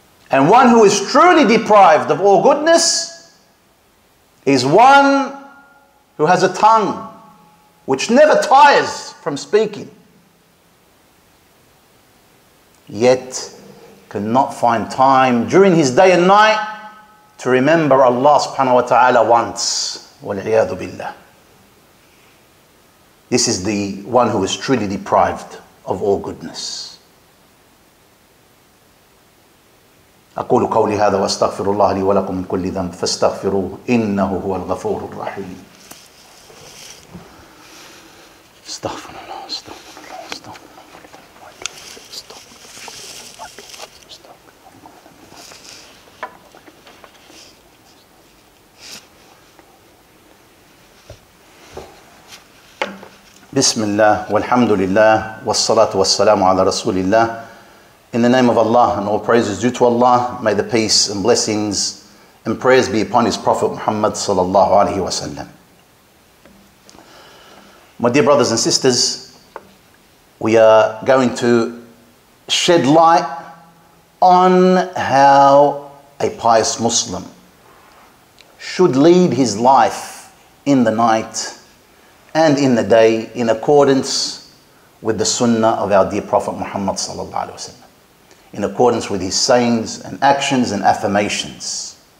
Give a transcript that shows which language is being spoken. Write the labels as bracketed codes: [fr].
[en] And one who is truly deprived of all goodness is one who has a tongue which never tires from speaking, yet cannot find time during his day and night to remember Allah subhanahu wa ta'ala once. Wal-iyadu billah. This is the one who is truly deprived of all goodness. [ar] أقول قولي هذا وأستغفر الله لي ولكم من كل ذنب فاستغفروه إنه هو الغفور الرحيم. استغفر الله استغفر الله استغفر الله. بسم الله والحمد لله والصلاة والسلام على رسول الله. [en] In the name of Allah and all praises due to Allah, may the peace and blessings and prayers be upon His Prophet Muhammad sallallahu alaihi wasallam. My dear brothers and sisters, we are going to shed light on how a pious Muslim should lead his life in the night and in the day in accordance with the sunnah of our dear Prophet Muhammad sallallahu alaihi wasallam, in accordance with his sayings and actions and affirmations.